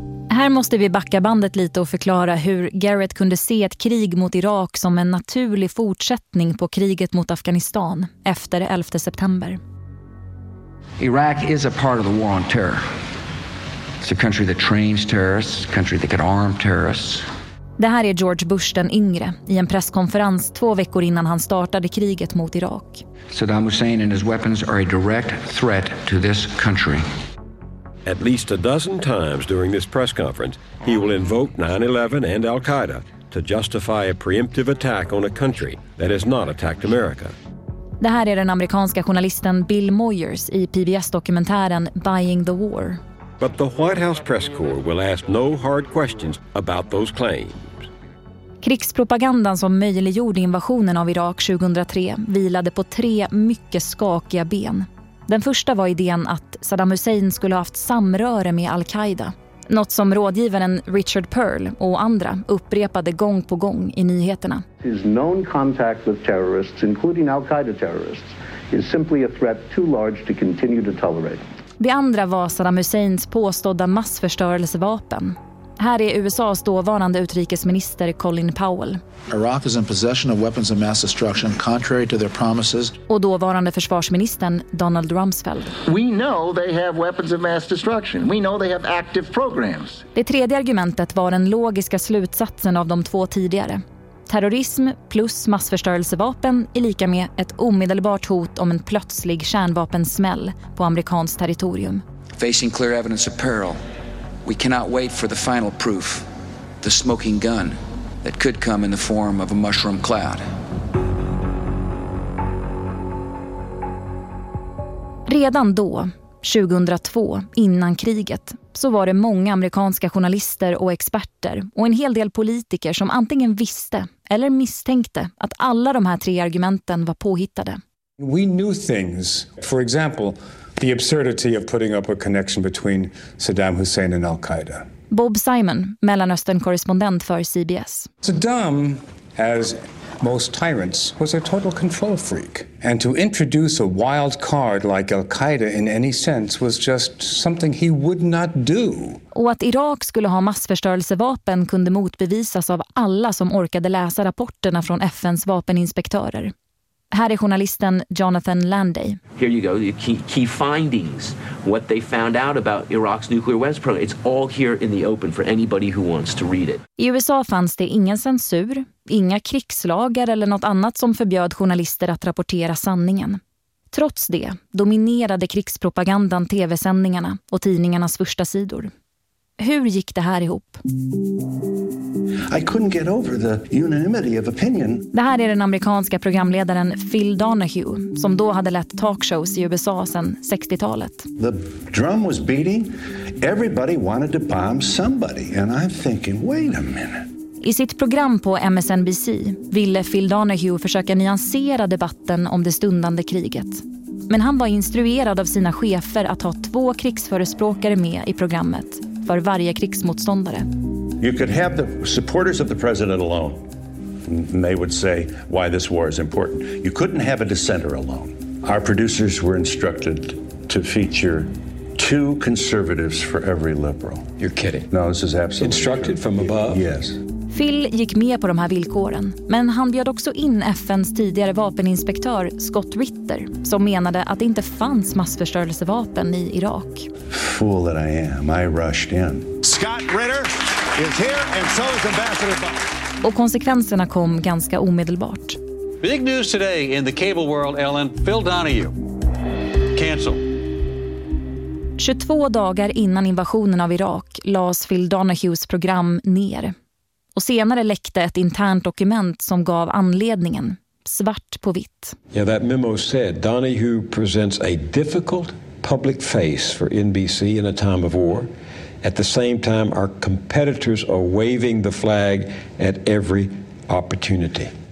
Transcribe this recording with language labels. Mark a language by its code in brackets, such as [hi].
[sv] Här måste vi backa bandet lite och förklara hur Garrett kunde se ett krig mot Irak som en naturlig fortsättning på kriget mot Afghanistan efter 11 september. [en] Iraq is a part of the war on terror. It's a country that trains terrorists, a country that can arm terrorists. [sv] Det här är George Bush den yngre i en presskonferens 2 veckor innan han startade kriget mot Irak. [en] Saddam Hussein and his weapons are a direct threat to this country. At least a dozen times during this press conference, he will invoke 9/11 and Al-Qaeda to justify a preemptive attack on a country that has not attacked America. [sv] Det här är den amerikanska journalisten Bill Moyers i PBS-dokumentären Buying the War. [en] But the White House press corps will ask no hard questions about those claims. [sv] Krigspropagandan som möjliggjorde invasionen av Irak 2003 vilade på 3 mycket skakiga ben. Den första var idén att Saddam Hussein skulle ha haft samröre med Al-Qaida. Något som rådgivaren Richard Perle och andra upprepade gång på gång i nyheterna. [en] His known contact with terrorists, including Al-Qaeda terrorists, is simply a threat too large to continue to tolerate. [sv] Det andra var Saddam Husseins påstådda massförstörelsevapen. Här är USA:s dåvarande utrikesminister Colin Powell. [en] Iraq is in possession of weapons of mass destruction contrary to their promises. [sv] Och dåvarande försvarsministern Donald Rumsfeld. [en] We know they have weapons of mass destruction. We know they have active programs. [sv] Det tredje argumentet var den logiska slutsatsen av de 2 tidigare. Terrorism plus massförstörelsevapen är lika med ett omedelbart hot om en plötslig kärnvapensmäll på amerikanskt territorium. [en] Facing clear evidence of peril, we cannot wait for the final proof, the smoking gun that could come in the form of a mushroom cloud. [sv] Redan då, 2002, innan kriget, så var det många amerikanska journalister och experter och en hel del politiker som antingen visste eller misstänkte att alla de här 3 argumenten var påhittade. [en] We knew things. For example, the absurdity of putting up a connection between Saddam Hussein and Al-Qaeda. [sv] Bob Simon, Mellanöstern-korrespondent för CBS. [en] Saddam, as most tyrants, was a total control freak. And to introduce a wild card like Al-Qaeda in any sense was just something he would not do. [sv] Och att Irak skulle ha massförstörelsevapen kunde motbevisas av alla som orkade läsa rapporterna från FN:s vapeninspektörer. Här är journalisten Jonathan Landay. [en] Here you go, the key findings, what they found out about Iraq's nuclear weapons program. It's all here in the open for anybody who wants to read it. [sv] I USA fanns det ingen censur, inga krigslagar eller något annat som förbjöd journalister att rapportera sanningen. Trots det dominerade krigspropagandan tv-sändningarna och tidningarnas första sidor. Hur gick det här ihop? [en] I couldn't get over the unanimity of opinion. [sv] Det här är den amerikanska programledaren Phil Donahue som då hade lett talkshows i USA sedan 60-talet. [en] The drum was beating. Everybody wanted to bomb somebody and I'm thinking, wait a minute. [sv] I sitt program på MSNBC ville Phil Donahue försöka nyansera debatten om det stundande kriget. Men han var instruerad av sina chefer att ha 2 krigsförespråkare med i programmet för varje krigsmotståndare. [en] You could have the supporters of the president alone. They would say why this war is important. You couldn't have a dissenter alone. Our producers were instructed to feature 2 conservatives for every liberal. You're kidding. No, this is absolutely instructed true. From above. Yes. [sv] Phil gick med på de här villkoren, men han bjöd också in FN:s tidigare vapeninspektör Scott Ritter, som menade att det inte fanns massförstörelsevapen i Irak. [en] Fool that I am. I rushed in. Scott Ritter is here and so is Ambassador Buck. [sv] Och konsekvenserna kom ganska omedelbart. [en] Big news today in the cable world, Ellen. Phil Donahue. Cancel. [sv] 22 dagar innan invasionen av Irak lades Phil Donahues program ner. Och senare läckte ett internt dokument som gav anledningen, svart på vitt. [en] Yeah, that memo said Donahue presents a difficult public face for NBC in a time of war. At the same time, our competitors are waving the flag at every opportunity.